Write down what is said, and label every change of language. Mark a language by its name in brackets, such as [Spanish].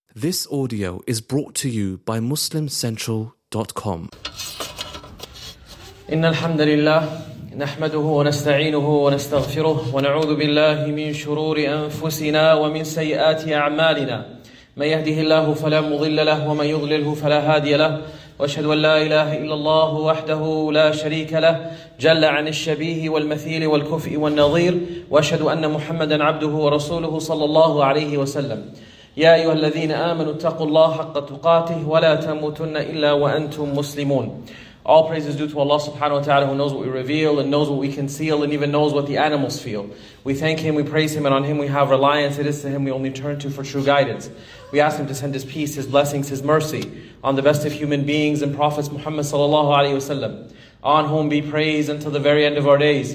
[English] This audio is brought to you by MuslimCentral.com. [Arabic] إن الحمد لله نحمده ونستعينه ونستغفره ونعوذ بالله من شرور أنفسنا ومن سيئات أعمالنا من يهده الله فلا مضل له ومن يضلله فلا هادي له وأشهد أن لا إله إلا الله وحده لا شريك له جل عن الشبيه والمثيل والكفء والنظير وأشهد أن محمدا عبده ورسوله صلى الله عليه وسلم يا أيها الذين آمنوا اتقوا الله حق تقاته ولا تموتن إلا وأنتم مسلمون. [English] All praise is due to Allah subhanahu wa ta'ala, who knows what we reveal and knows what we conceal and even knows what the animals feel. We thank Him, we praise Him, and on Him we have reliance. It is to Him we only turn to for true guidance. We ask Him to send His peace, His blessings, His mercy on the best of human beings and Prophets Muhammad sallallahu alayhi wasallam, on whom be praise until the very end of our days.